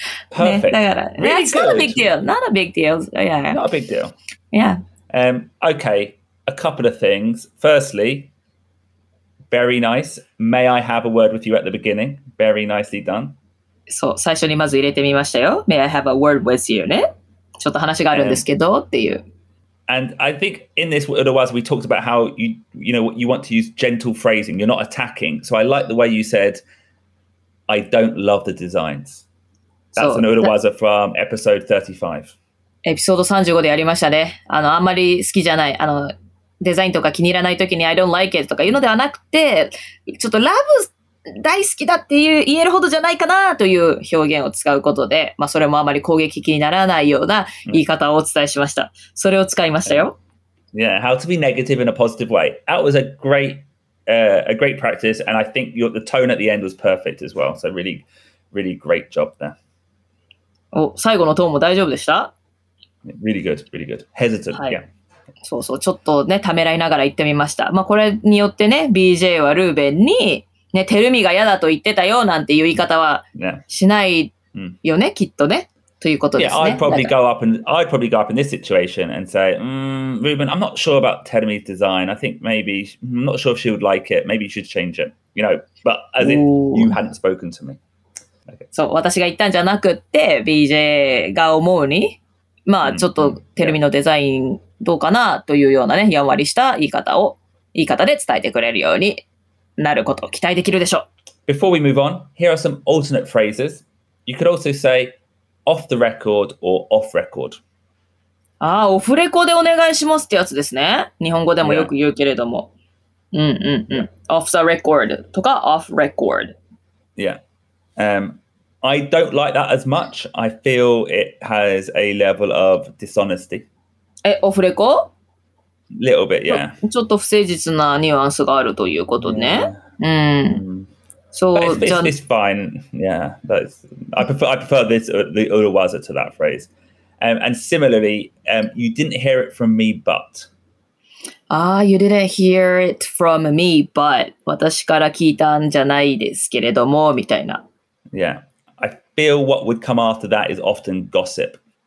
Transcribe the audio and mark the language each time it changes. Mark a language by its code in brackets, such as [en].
[en] Perfect. [ja] ね、だから、 [en] really、 it's not a big deal. Not a big deal. Yeah. Not a big deal. Yeah. Okay, a couple of things. Firstly, very nice. May I have a word with you at the beginning? Very nicely done. [ja] そう、最初にまず入れてみましたよ。 [en] May I have a word with you? ね。 [ja] ちょっと話があるんですけどっていう。 [en] And I think in this word of words, we talked about how you know, you want to use gentle phrasing. You're not attacking. So I like the way you said, I don't love the designs. That's an Uruwaza from episode 35. [ja] Episode 35でやりましたね。あんまり好きじゃない、デザインとか気に入らないときに [en] I don't like it [ja] とか言うのではなくて、ちょっとラブ大好きだっていう言えるほどじゃないかなという表現を使うことで、まあそれもあまり攻撃的にならないような言い方をお伝えしました。うん、それを使いましたよ。 [en] Yeah, how to be negative in a positive way. That was a great practice, and I think the tone at the end was perfect as well. So really, really great job there. [ja] お、最後のトーンも大丈夫でした？ [en] Really good, really good. Hesitant,、 [ja] はい、 [en] yeah. [ja] そうそう、ちょっとね、ためらいながら言ってみました。まあ、これによってね、BJ はルーベンに、ね、テルミが嫌だと言ってたよなんていう言い方はしないよね、 [en] yeah. [ja] きっとね、ということですね。 [en] Yeah, I'd probably go up in this situation and say, Ruben, I'm not sure about Telmi's design. I think maybe, I'm not sure if she would like it. Maybe you should change it. You know, but as if you hadn't spoken to me.、 Okay. [ja] そう、私が言ったんじゃなくて、BJ が思うに、まあ、ちょっとテルミのデザイン、 [en] yeah. [ja] どうかなというようなね、やんわりした言い方を、言い方で伝えてくれるようになることを期待できるでしょう。 [en] Before we move on, here are some alternate phrases. You could also say off the record or off record. [ja] ああ、オフレコでお願いしますってやつですね。日本語でもよく言うけれども。 [en] Yeah. [ja] うんうんうん。 [en] Yeah. Off the record とか off record. Yeah. I don't like that as much. I feel it has a level of dishonesty. [ja] え、オフレコ? [en] Little bit, yeah. [ja] ちょっと不誠実なニュアンスがあるということね。 [en] Yeah. うん。Mm-hmm. So, it's fine. Yeah, that's, I prefer this, the Uruwaza to that phrase. And similarly, you didn't hear it from me, but. Ah, you didn't hear it from me, but. [ja] 私から聞いたんじゃないですけれども、みたいな。 [en] Yeah. I feel what would come after that is often gossip.